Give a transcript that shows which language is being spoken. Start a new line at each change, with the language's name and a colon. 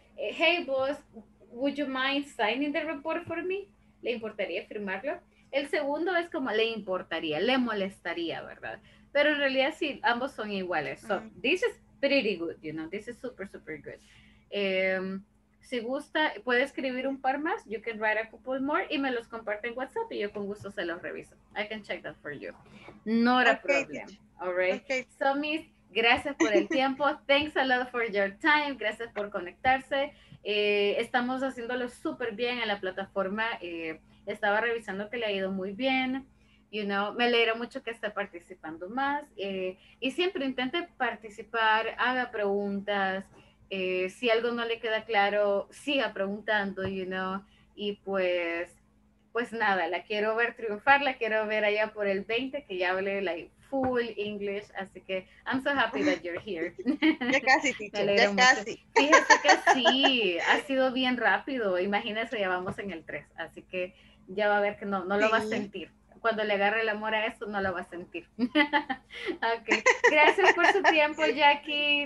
English: Hey, boss, would you mind signing the report for me?
Spanish: ¿Le importaría firmarlo? El segundo es como le importaría, le molestaría, ¿verdad? Pero en realidad sí, ambos son iguales. So, mm-hmm.
English: This is pretty good, you know, this is super, super good.
Spanish: Si gusta, puede escribir un par más,
English: you can write a couple more,
Spanish: y me los comparte en WhatsApp, y yo con gusto se los reviso.
English: I can check that for you. Not okay. A problem. All right. Okay. So, Miss,
Spanish: gracias por el tiempo.
English: Thanks a lot for your time.
Spanish: Gracias por conectarse. Estamos haciéndolo super bien en la plataforma. Estaba revisando que le ha ido muy bien. You know, me alegra mucho que esté participando más. Y siempre intente participar, haga preguntas. Si algo no le queda claro, siga preguntando, you know. Y pues nada, la quiero ver triunfar, la quiero ver allá por el 20, que ya hable
English: like full English.
Spanish: Así que
English: I'm so happy that you're here.
Spanish: Ya casi, teacher, ya casi. Fíjese que sí, ha sido bien rápido. Imagínese, ya vamos en el 3. Así que ya va a ver que no lo va a sentir. Cuando le agarre el amor a eso, no lo va a sentir. Okay. Gracias por su tiempo, Jackie.